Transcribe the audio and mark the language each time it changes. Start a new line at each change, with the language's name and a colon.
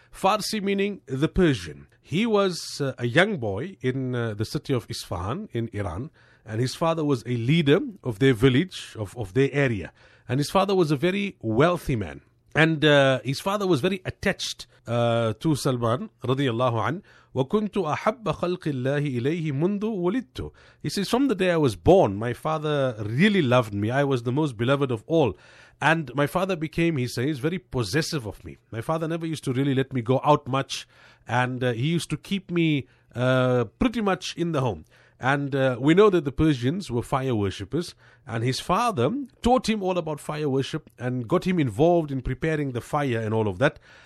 English: Farsi meaning the Persian. He was a young boy in the city of Isfahan in Iran, and his father was a leader of their village, of their area. And his father was a very wealthy man. And his father was very attached to Salman
Arabic: رضي الله عنه. وكنت أحب خلق الله إليه منذ ولدت.
English: He says, from the day I was born, my father really loved me. I was the most beloved of all. And my father became, he says, very possessive of me. My father never used to really let me go out much. And he used to keep me pretty much in the home. And we know that the Persians were fire worshippers. And his father taught him all about fire worship and got him involved in preparing the fire and all of that.